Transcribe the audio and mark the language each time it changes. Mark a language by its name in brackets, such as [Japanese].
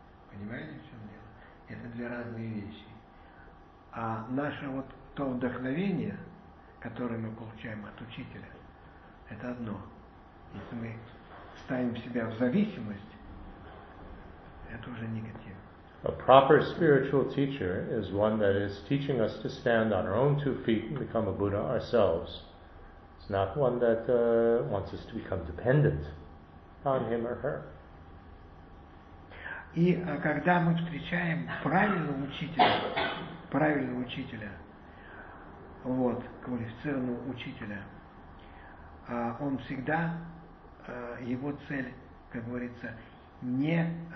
[Russian] Понимаете, в чем дело? Это две разные вещи. А наше вот то вдохновение, которое мы получаем от учителя, это одно. Если мы ставим себя в зависимость, это уже негатив. [English] A proper spiritual teacher is one that is teaching us to stand on our own two feet and become a Buddha ourselves. It's not one that wants us to become dependent on him or her. [Russian] И когда мы встречаем правильного учителя, вот, квалифицированного учителя, он всегда, его цель, как говорится, не...